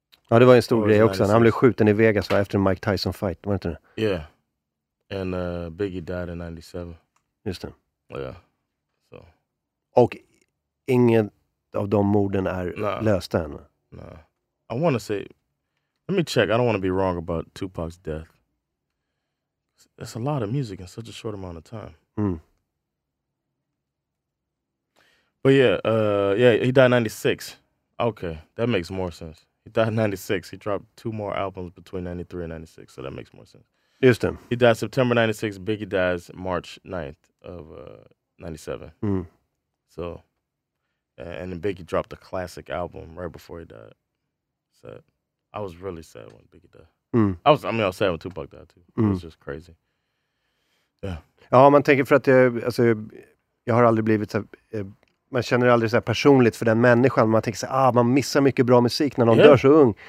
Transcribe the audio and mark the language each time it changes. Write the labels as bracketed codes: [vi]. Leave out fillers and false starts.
[sv] Ja, det var en stor grej också. Han blev skjuten i Vegas efter en Mike Tyson fight. Var inte det? [en] Yeah. And Biggie died in 97. [sv] Just det. [en] Yeah. So. [sv] Och ingen av de morden är lösta än. [en] Nah. I want to say... Let me check. I don't want to be wrong about Tupac's death. That's a lot of music in such a short amount of time. Mm. But yeah, he died in 96. Okay, that makes more sense. He died in 96. He dropped two more albums between 93 and 96, so that makes more sense. Just him. He died September 96. Biggie dies March 9th of 97. Mm. So, and then Biggie dropped a classic album right before he died. So, I was really sad when Biggie died. Mm. I was sad when Tupac died too. Mm. It was just crazy. Yeah. [sv] Ja, man tänker för att jag har aldrig blivit så man känner aldrig så här personligt för den människan. Man tänker så här, man missar mycket bra musik när någon dör så ung.